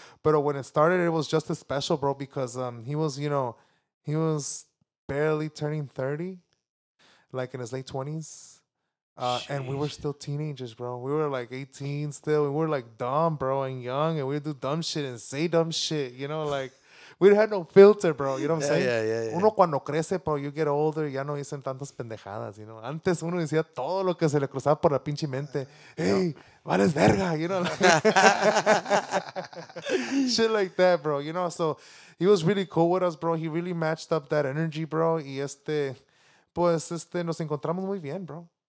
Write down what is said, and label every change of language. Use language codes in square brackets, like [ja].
[en] But when it started, it was just as special, bro, because he was barely turning 30, like in his late 20s. And we were still teenagers, bro. We were like 18 still. We were like dumb, bro, and young. And we'd do dumb shit and say dumb shit. You know, like, we had no filter, bro. You know what I'm saying? Yeah. [es] Uno cuando crece, bro, [en] you get older, [es] ya no dicen tantas pendejadas, you know. Antes uno decía todo lo que se le cruzaba por la pinche mente. [en] Hey, [es] vales verga, [en] you know. Like, shit like that, bro. You know, so he was really cool with us, bro. He really matched up that energy, bro. [es] Y este, pues, este, nos encontramos muy bien, bro.